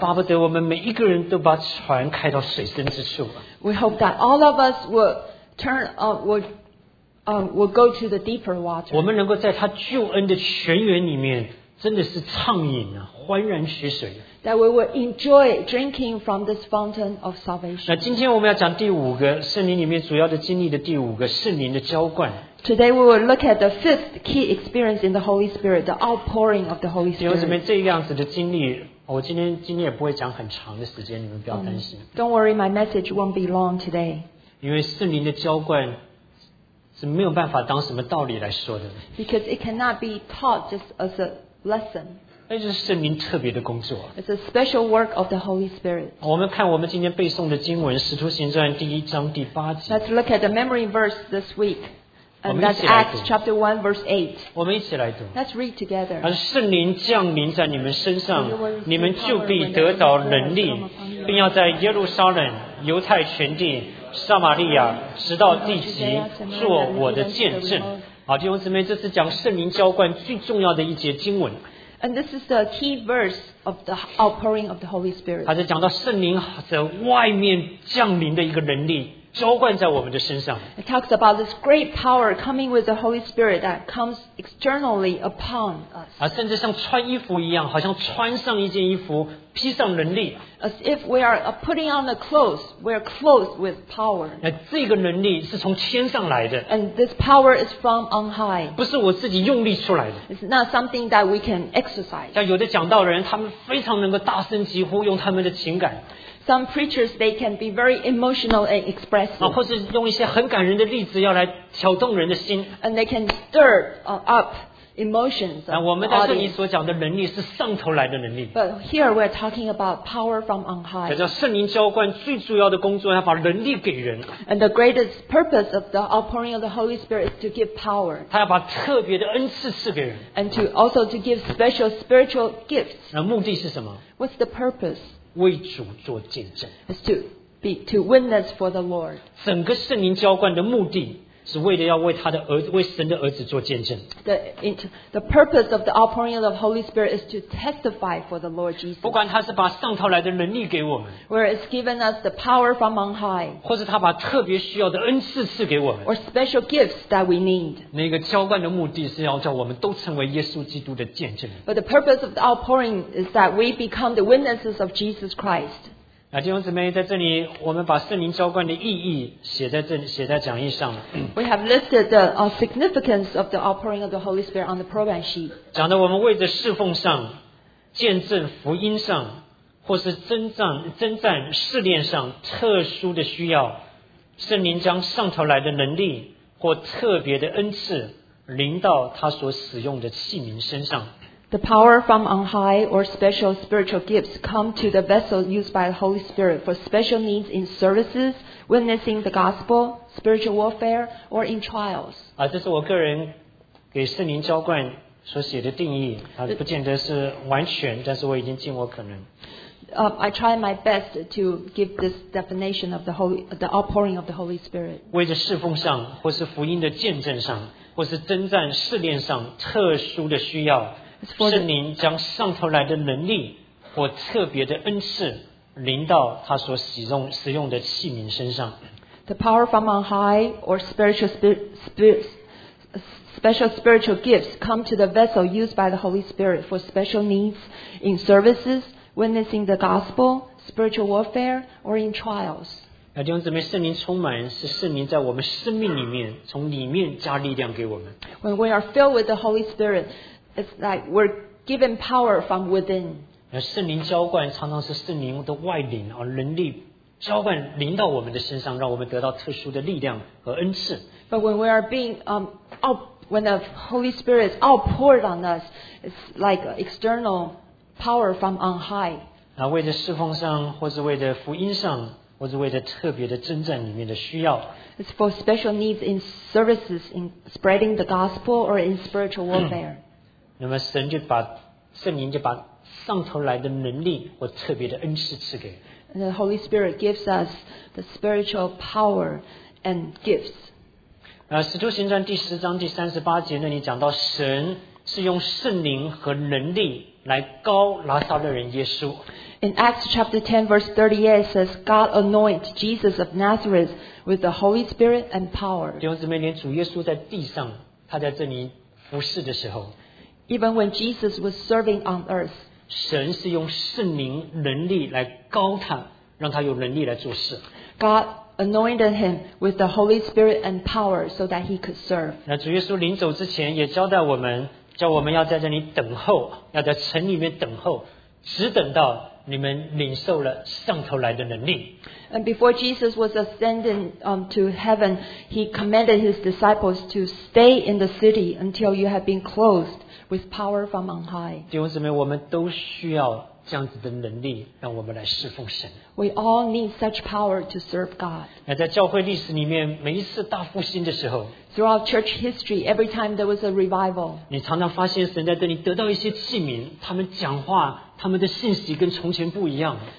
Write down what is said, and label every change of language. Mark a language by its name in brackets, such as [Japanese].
[Chinese] 巴不得我们每一个人都把船开到水深之处。 [English] We hope that all of us will turn up, will go to the deeper water. [Chinese] 我们能够在他救恩的泉源里面，真的是畅饮啊，欢然取水。 [English] That we will enjoy drinking from this fountain of salvation. [Chinese] 那今天我们要讲第五个圣灵里面主要的经历的第五个圣灵的浇灌。 [English] Today we will look at the fifth key experience in the Holy Spirit, the outpouring of the Holy Spirit. [Chinese] 弟兄姊妹，这样子的经历，我今天也不会讲很长的时间，你们不要担心。 [English] Don't worry, my message won't be long today. [Chinese] 因为圣灵的浇灌是没有办法当什么道理来说的。 [English] Because it cannot be taught just as a lesson. [Chinese] 那就是圣灵特别的工作。 [English] It's a special work of the Holy Spirit. [Chinese] 我们看我们今天背诵的经文，《使徒行传》第一章第八节。 [English] Let's look at the memory verse this week. And that's Acts chapter 1, verse 8. And this is the key verse of the outpouring of the Holy Spirit. [Chinese] 他是讲到圣灵在外面降临的一个能力，浇灌在我们的身上。 [English] It talks about this great power coming with the Holy Spirit that comes externally upon us. [Chinese] 啊，甚至像穿衣服一样，好像穿上一件衣服，披上能力。 [English] As if we are putting on the clothes, we are clothed with power. [Chinese] 那这个能力是从天上来的。 [English] And this power is from on high. [Chinese] 不是我自己用力出来的。 [English] It's not something that we can exercise. [Chinese] 像有的讲道人，他们非常能够大声疾呼，用他们的情感。 [English] Some preachers, they can be very emotional and expressive. [Chinese] 或是用一些很感人的例子要来挑动人的心。 [English] And they can stir up emotions. [Chinese] 我们在这里所讲的能力是上头来的能力。 [English] But here we're talking about power from on high. [Chinese] 叫圣灵浇灌最主要的工作要把能力给人。 [English] And the greatest purpose of the outpouring of the Holy Spirit is to give power. [Chinese] 他要把特别的恩赐赐给人。 [English] And to also to give special spiritual gifts. [Chinese] 那目的是什么？ [English] What's the purpose? [Chinese] 为主做见证 [English] is to witness for the Lord. [Chinese] 整个圣灵浇灌的目的是为了要为他的儿子，为神的儿子做见证。 [English] The purpose of the outpouring of the Holy Spirit is to testify for the Lord Jesus. [Chinese] 不管他是把上头来的能力给我们 [English] ，where it's given us the power from on high， [Chinese] 或是他把特别需要的恩赐赐给我们 [English] ，or special gifts that we need。 [Chinese] 那个浇灌的目的是要叫我们都成为耶稣基督的见证。 [English] But the purpose of the outpouring is that we become the witnesses of Jesus Christ. [Chinese] 弟兄姊妹，在这里我们把圣灵浇灌的意义写在这里，写在讲义上。 [English] We have listed the significance of the outpouring of the Holy Spirit on the program sheet. [Chinese] 讲到我们为着侍奉上、见证福音上，或是征战试炼上特殊的需要，圣灵将上头来的能力或特别的恩赐临到他所使用的器皿身上。 [English] The power from on high or special spiritual gifts come to the vessel used by the Holy Spirit for special needs in services, witnessing the gospel, spiritual warfare, or in trials. [Chinese] 这是我个人给圣灵浇灌所写的定义，不见得是完全，但是我已经尽我可能。 [English] I try my best to give this definition of the outpouring of the Holy Spirit. [Chinese] 为着侍奉上，或是福音的见证上，或是征战试炼上特殊的需要。圣灵将上头来的能力或特别的恩赐临到他所使用的器皿身上。 [English] The power from on high or special spiritual gifts come to the vessel used by the Holy Spirit for special needs in services, witnessing the gospel, spiritual warfare, or in trials. [Chinese] 弟兄姊妹，圣灵充满是圣灵在我们生命里面从里面加力量给我们。 [English] When we are filled with the Holy Spirit,It's like we're given power from within. [Chinese] 圣灵浇灌常常是圣灵的外灵啊，能力浇灌临到我们的身上，让我们得到特殊的力量和恩赐。 [English] But when we are being when the Holy Spirit is outpoured on us, it's like external power from on high. [Chinese] 为着侍奉上，或是为着福音上，或是为着特别的征战里面的需要。 [English] It's for special needs in services, in spreading the gospel or in spiritual warfare. [Chinese] 那么神就把圣灵就把上头来的能力或特别的恩赐赐给。 [English] The Holy Spirit gives us the spiritual power and gifts. [Chinese] 使徒行传第十章第三十八节那里讲到神是用圣灵和能力来膏拿撒勒人耶稣。 [English] In Acts chapter 10 verse 38 says, God anoint Jesus of Nazareth with the Holy Spirit and power. [Chinese] 弟兄姊妹，连主耶稣在地上他在这里服侍的时候。 [English] Even when Jesus was serving on earth, [Chinese] 神是用圣灵能力来膏他，让他有能力来做事。 [English] God anointed him with the Holy Spirit and power so that he could serve. [Chinese] 那主耶稣临走之前也交代我们，叫我们要在这里等候，要在城里面等候，只等到你们领受了上头来的能力。 [English] And before Jesus was ascending to heaven, he commanded his disciples to stay in the city until you have been clothed. With power from on high. [Chinese] 弟兄姊妹，我们都需要这样子的能力，让我们来侍奉神。 [English] We all need such power to serve God. [Chinese] 那在教会历史里面，每一次大复兴的时候 [English] ，Throughout church history, every time there was a revival, [Chinese] 你常常发现神在这里得到一些器皿，他们讲话，他们的信息跟从前不一样。